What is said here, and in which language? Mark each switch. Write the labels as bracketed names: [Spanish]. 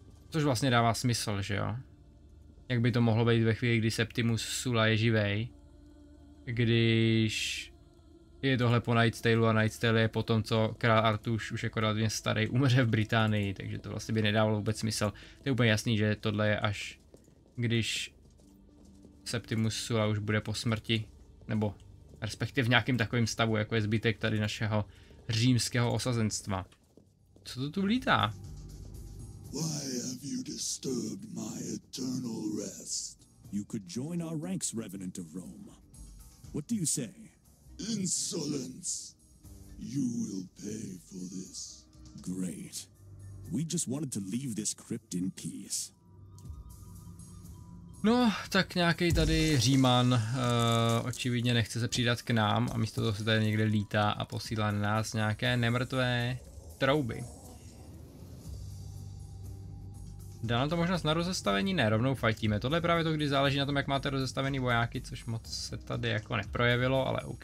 [Czech] Což vlastně dává smysl, že jo? Jak by to mohlo být ve chvíli, kdy Septimus Sulla je živej, když je tohle po Night's Tale a Night's Tale je po tom, co král Artuš už jako relativně starý umře v Británii, takže to vlastně by nedávalo vůbec smysl. To je úplně jasný, že tohle je až když Septimus Sulla už bude po smrti, nebo respektive v nějakém takovém stavu, jako je zbytek tady našeho římského osazenstva. Co to tu lítá? [English] Why have you disturbed my eternal rest? You could join our ranks, Revenant of Rome. What do you say? Insolence! You will pay for this. Great. We just wanted to leave this crypt in peace. [Czech] No, tak nějaký tady Říman očividně nechce se přidat k nám a místo toho se tady někde lítá a posílá na nás nějaké nemrtvé trouby. Dá nám to možnost na rozestavení? Ne, rovnou fajtíme. Tohle je právě to, když záleží na tom, jak máte rozestavený vojáky, což moc se tady jako neprojevilo, ale OK.